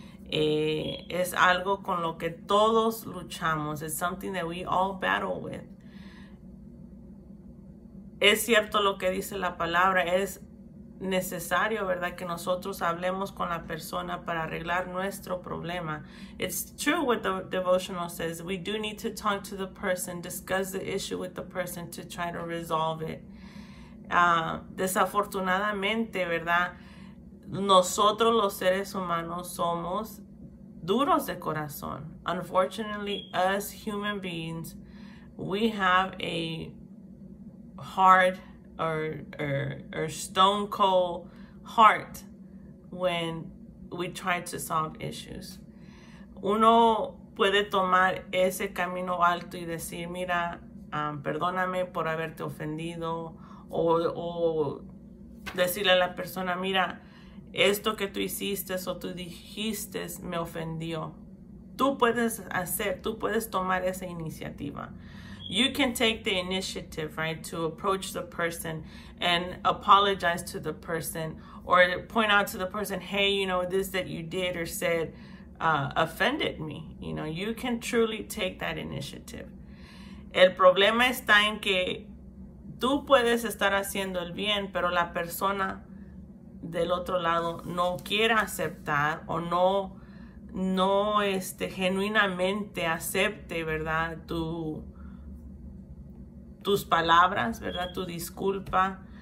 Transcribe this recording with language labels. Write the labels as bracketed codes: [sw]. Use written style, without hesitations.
[es] Es algo con lo que todos luchamos. [en] It's something that we all battle with. [es] Es cierto lo que dice la palabra, es necesario, ¿verdad?, que nosotros hablemos con la persona para arreglar nuestro problema. [en] It's true what the devotional says. We do need to talk to the person, discuss the issue with the person to try to resolve it. [es] Desafortunadamente, ¿verdad?, nosotros los seres humanos somos duros de corazón. [en] Unfortunately, us human beings, we have a hard or stone cold heart when we try to solve issues. [es] Uno puede tomar ese camino alto y decir, mira, perdóname por haberte ofendido, o decirle a la persona, mira, esto que tú hiciste o tú dijiste me ofendió. Tú puedes tomar esa iniciativa. [en] You can take the initiative, right, to approach the person and apologize to the person or point out to the person, hey, you know, this that you did or said offended me. You know, you can truly take that initiative. [es] El problema está en que tú puedes estar haciendo el bien, pero la persona del otro lado no quiere aceptar o no genuinamente acepte, ¿verdad?, tus palabras, ¿verdad?, tu disculpa.